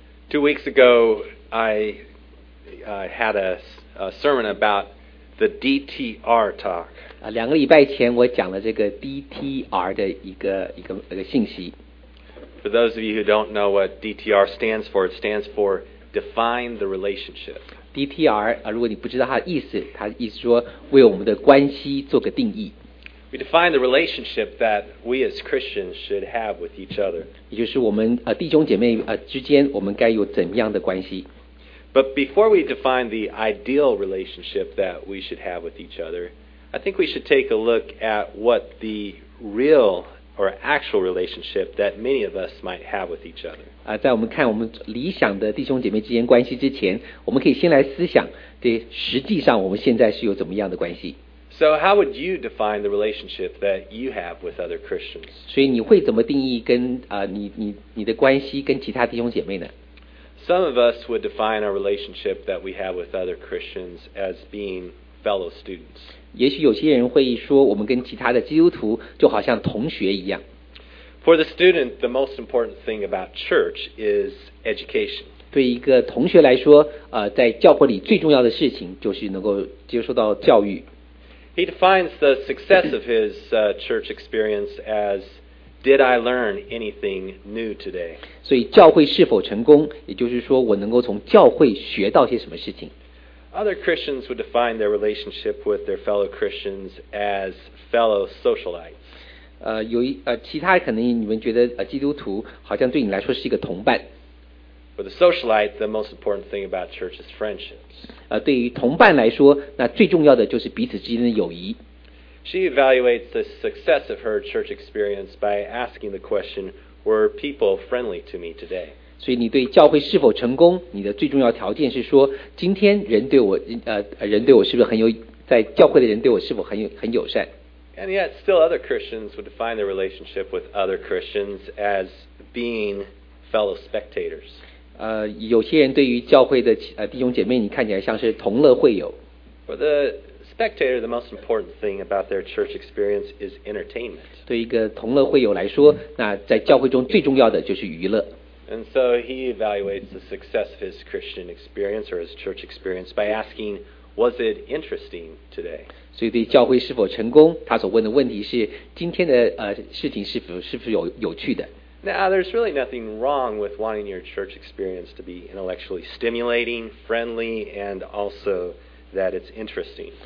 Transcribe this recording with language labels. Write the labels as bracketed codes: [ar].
[en] 2 weeks ago, I had a sermon about the DTR talk. [zh] 两个礼拜前我讲了这个 DTR 的一个信息。 [en] For those of you who don't know what DTR stands for, it stands for define the relationship. [zh] DTR, 如果你不知道它的意思，它的意思说为我们的关系做个定义。 [en] We define the relationship that we as Christians should have with each other. [zh] 也就是我们弟兄姐妹之间我们该有怎样的关系。 [en] But before we define the ideal relationship that we should have with each other,I think we should take a look at what the real or actual relationship that many of us might have with each other. [zh] 在我们看我们理想的弟兄姐妹之间关系之前，我们可以先来思想，对，实际上我们现在是有怎么样的关系。 [en] So how would you define the relationship that you have with other Christians? [zh] 所以你会怎么定义跟你的关系跟其他弟兄姐妹呢？ [en] Some of us would define our relationship that we have with other Christians as being fellow students. [zh] 也许有些人会说我们跟其他的基督徒就好像同学一样。 [en] For the student, the most important thing about church is education. [zh] 对一个同学来说在教会里最重要的事情就是能够接受到教育。 [en] He defines the success of his church experience as, did I learn anything new today? [zh] 所以教会是否成功，也就是说我能够从教会学到些什么事情。 [en] Other Christians would define their relationship with their fellow Christians as fellow socialites. [zh] 其他可能你们觉得基督徒好像对你来说是一个同伴。 [en] For the socialite, the most important thing about church is friendships. [zh] 对于同伴来说，那最重要的就是彼此之间的友谊。 [en] She evaluates the success of her church experience by asking the question, "Were people friendly to me today?" [zh] 所以你对教会是否成功，你的最重要条件是说，今天人对我是不是很友，在教会的人对我是否很友善。 [en] And yet, still other Christians would define their relationship with other Christians as being fellow spectators. [zh] 有些人对于教会的弟兄姐妹，你看起来像是同乐会友。 [en] For the spectator, the most important thing about their church experience is entertainment. [zh] 对一个同乐会友来说，那在教会中最重要的就是娱乐。 [en] And so he evaluates the success of his Christian experience or his church experience by asking, was it interesting today? [zh] 所以对教会是否成功，他所问的问题是今天的事情是否有趣的。 [en] Now, there's really nothing wrong with wanting your church experience to be intellectually stimulating, friendly, and also that it's interesting.